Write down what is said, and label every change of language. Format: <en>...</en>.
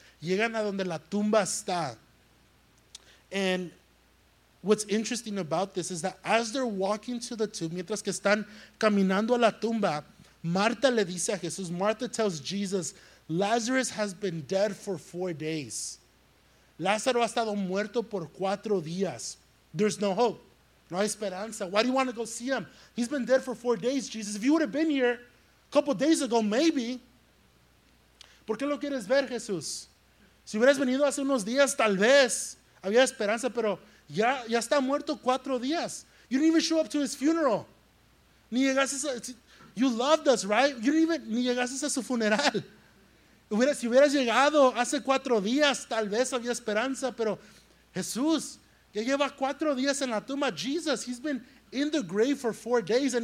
<es>Llegan a donde la tumba está.</es> <en>And what's interesting about this is that as they're walking to the tomb,</en> <es>mientras que están caminando a la tumba, Marta le dice a Jesús,</es> <en>Marta tells Jesus, Lazarus has been dead for 4 days.</en> <es>Lázaro ha estado muerto por 4 días.</es> <en>There's no hope.</en> <es>No hay esperanza.</es> <en>Why do you want to go see him? He's been dead for 4 days, Jesus. If you would have been here a couple days ago, maybe.</en> <es>¿Por qué lo quieres ver, Jesús? Si hubieras venido hace unos días, tal vez había esperanza, pero ya está muerto 4 días.</es> <en>You didn't even show up to his funeral.</en> <es>Ni llegaste a,</es> <en>you loved us, right? You didn't even,</en> <es>ni llegaste a su funeral. Si hubieras llegado hace 4 días, tal vez había esperanza, pero Jesús, ya lleva 4 días en la tumba.</es> <en>Jesus, he's been in the grave for 4 days.</en>